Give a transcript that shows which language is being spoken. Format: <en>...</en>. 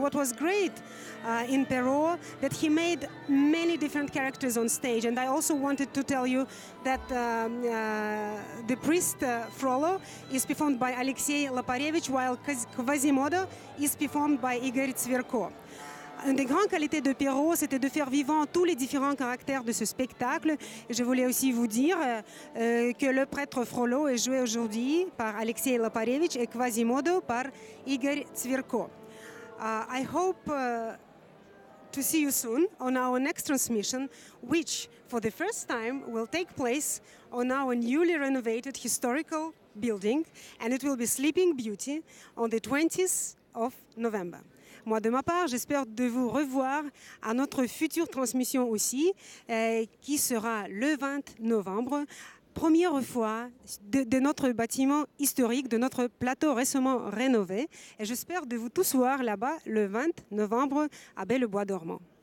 <en>And what was great in Perrault, that he made many different characters on stage. And I also wanted to tell you that the priest Frollo is performed by Alexei Loparevich, while Quasimodo is performed by Igor Tsvirko.</en> <fr>Une des grandes qualités de Perrault, c'était de faire vivant tous les différents caractères de ce spectacle. Je voulais aussi vous dire que le prêtre Frollo est joué aujourd'hui par Alexei Loparevich et Quasimodo par Igor Tsvirko.</fr> <en>I hope to see you soon on our next transmission, which for the first time will take place on our newly renovated historical building, and it will be Sleeping Beauty on the 20th of November.</en> <fr>Moi, de ma part, j'espère de vous revoir à notre future transmission aussi, qui sera le 20 novembre, première fois de notre bâtiment historique, de notre plateau récemment rénové. Et j'espère de vous tous voir là-bas le 20 novembre à Bellebois dormant.</fr>